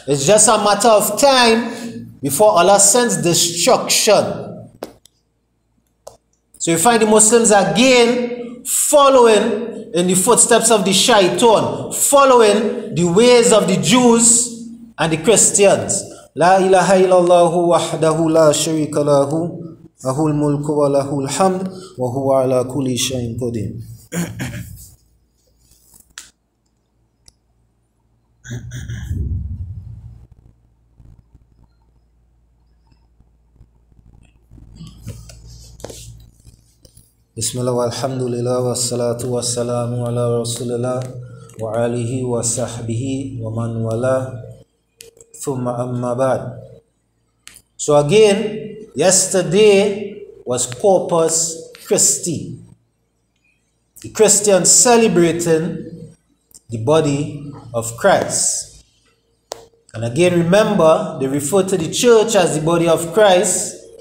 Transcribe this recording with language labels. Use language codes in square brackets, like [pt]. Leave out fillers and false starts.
[en] It's just a matter of time before Allah sends destruction. So you find the Muslims again following in the footsteps of the shaitan. Following the ways of the Jews and the Christians. [ar] La ilaha illallah wahdahu la sharika lahu. له الملك وله الحمد وهو على كل شيء قدير. بسم الله والحمد لله والصلاة والسلام على رسول الله وعليه وصحبه ومن والاه ثم أما بعد. [en] So again, yesterday was Corpus Christi. The Christians celebrating the body of Christ. And again, remember, they refer to the church as the body of Christ.